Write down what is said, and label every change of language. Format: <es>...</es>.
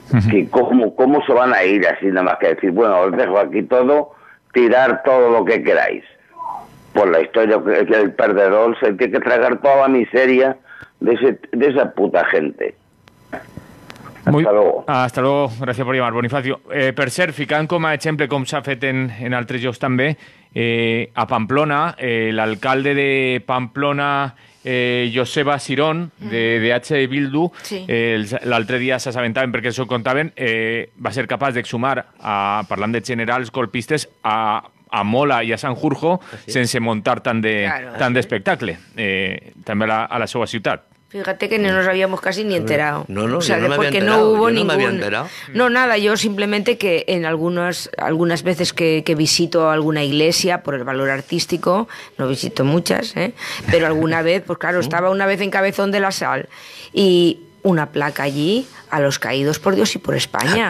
<es>Que ¿cómo se van a ir así nada más que decir, bueno, os dejo aquí todo, tirar todo lo que queráis? Por la historia que el perdedor se tiene que tragar toda la miseria de esa puta gente. Hasta luego, gracias por llamar, Bonifacio.</es> <ca>Per ser, ficant com a exemple com s'ha fet en altres llocs també, a Pamplona, l'alcalde de Pamplona, Joseba Sirón, de H. Bildu, sí. L'altre dia s'assabentaven perquè s'ho contaven, va ser capaç d'exhumar, parlant de generals colpistes, a Mola i a Sanjurjo, sense muntar tant d'espectacle, també a la seva ciutat.</ca> <es>Fíjate que no nos habíamos casi ni enterado. No, o sea, yo no me había enterado. No hubo yo no ningún... me había enterado. No, nada, yo simplemente que en algunas veces que visito alguna iglesia por el valor artístico, no visito muchas, pero alguna vez, pues claro, estaba una vez en Cabezón de la Sal y una placa allí a los caídos por Dios y por España.</es>